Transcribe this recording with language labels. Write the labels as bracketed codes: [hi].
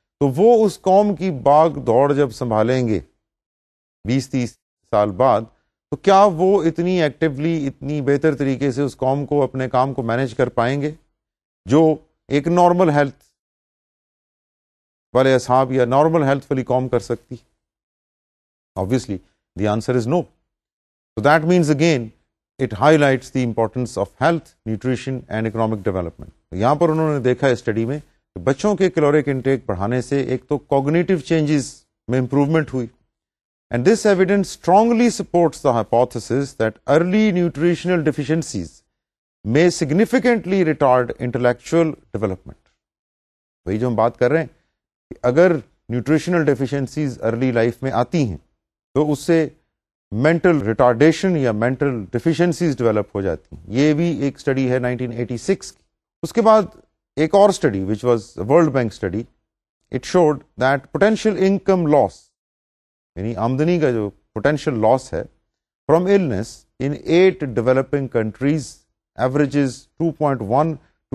[ur] To wo us qaum ki baag daud jab sambhalenge 20-30 saal baad, تو کیا وہ اتنی ایکٹیولی اتنی بہتر طریقے سے اس قوم کو اپنے کام کو مینیج کر پائیں گے جو ایک نارمل ہیلتھ والے اصحاب یا نارمل ہیلتھ والی قوم کر سکتی؟ [en] Obviously, the answer is no. So that means again, it highlights the importance of health, nutrition and economic development. [ur] یہاں پر انہوں نے دیکھا اسٹڈی میں کہ بچوں کے کیلوریک انٹیک بڑھانے سے ایک تو کوگنیٹو چینجز میں امپروومنٹ ہوئی. [en] And this evidence strongly supports the hypothesis that early nutritional deficiencies may significantly retard intellectual development. [ur] وہی جو ہم بات کر رہے ہیں کہ اگر nutritional deficiencies early life میں آتی ہیں تو اس سے mental retardation یا mental deficiencies develop ہو جاتی ہیں. یہ بھی ایک اسٹڈی ہے 1986. اس کے بعد ایک اور study [en] which was a World Bank study, it showed that potential income loss, [ur] یعنی آمدنی کا جو پوٹینشیل لاس ہے [en] from illness in 8 developing countries averages 2.1 to